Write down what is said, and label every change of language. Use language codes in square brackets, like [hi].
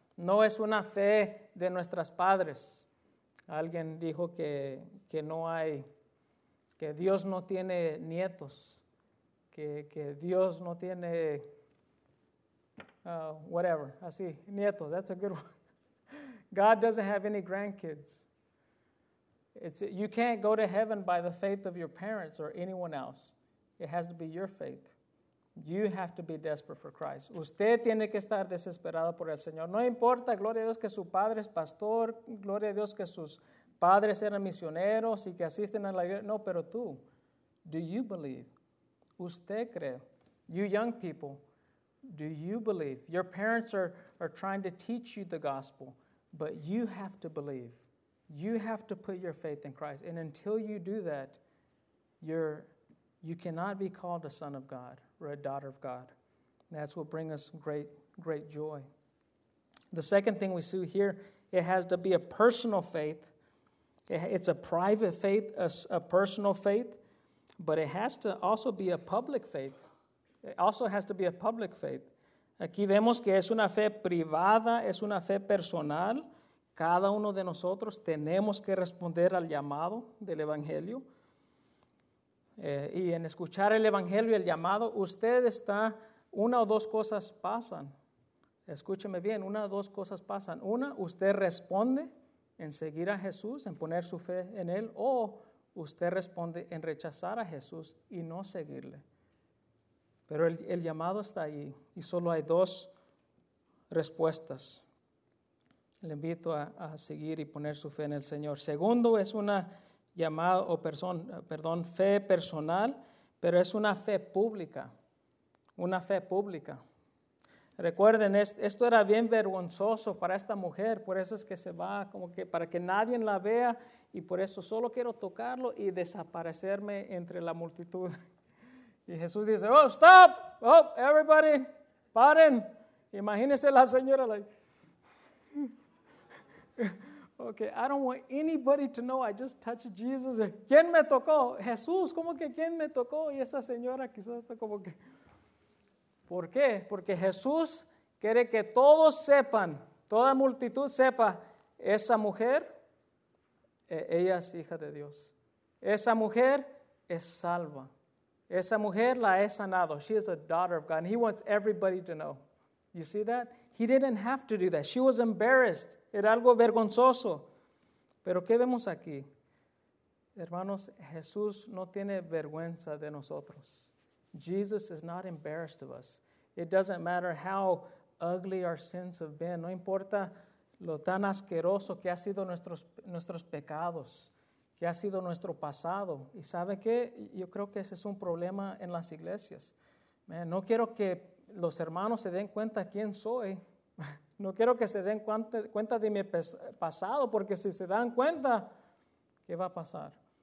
[es] No es una fe de nuestras padres. Alguien dijo que no hay, que Dios no tiene nietos, que Dios no tiene [en] whatever, [es] así, nietos, [en] that's a good one. God doesn't have any grandkids. You can't go to heaven by the faith of your parents or anyone else. It has to be your faith. You have to be desperate for Christ. [es] Usted tiene que estar desesperado por el Señor. No importa, gloria a Dios, que su padre es pastor, gloria a Dios, que sus padres eran misioneros y que asisten a la iglesia. No, pero tú, [en] do you believe? [es] Usted cree. [en] You young people, do you believe? Your parents are trying to teach you the gospel, but you have to believe. You have to put your faith in Christ. And until you do that, you cannot be called a son of God or a daughter of God. That's what brings us great, great joy. The second thing we see here It has to be a personal faith. It's a private faith, a personal faith, but it has to also be a public faith. It also has to be a public faith. [es] Aquí vemos que es una fe privada, es una fe personal. Cada uno de nosotros tenemos que responder al llamado del Evangelio. Y en escuchar el Evangelio y el llamado, usted está, una o dos cosas pasan. Escúcheme bien, una o dos cosas pasan. Una, usted responde en seguir a Jesús, en poner su fe en Él, o usted responde en rechazar a Jesús y no seguirle. Pero el llamado está ahí y solo hay dos respuestas. Le invito a seguir y poner su fe en el Señor. Segundo, es una llamada o fe personal, pero es una fe pública. Una fe pública. Recuerden, esto era bien vergonzoso para esta mujer, por eso es que se va, como que para que nadie la vea, y por eso solo quiero tocarlo y desaparecerme entre la multitud. Y Jesús dice, [en] oh, stop, oh, everybody, [es] paren. Imagínense la señora, [en] like, okay, I don't want anybody to know, I just touched Jesus. [es] ¿Quién me tocó? Jesús, ¿cómo que quién me tocó? Y esa señora quizás está como que, ¿por qué? Porque Jesús quiere que todos sepan, toda multitud sepa, esa mujer, ella es hija de Dios. Esa mujer es salva. Esa mujer la ha sanado. [en] She is a daughter of God. And he wants everybody to know. You see that? He didn't have to do that. She was embarrassed. [es] Era algo vergonzoso. Pero ¿qué vemos aquí? Hermanos, Jesús no tiene vergüenza de nosotros. [en] Jesus is not embarrassed of us. It doesn't matter how ugly our sins have been. [es] No importa lo tan asqueroso que ha sido nuestros pecados, que ha sido nuestro pasado. ¿Y sabe qué? Yo creo que ese es un problema en las iglesias. Man, no quiero que los hermanos se den cuenta quién soy. No quiero que se den cuenta de mi pasado, porque si se dan cuenta, ¿qué va a pasar?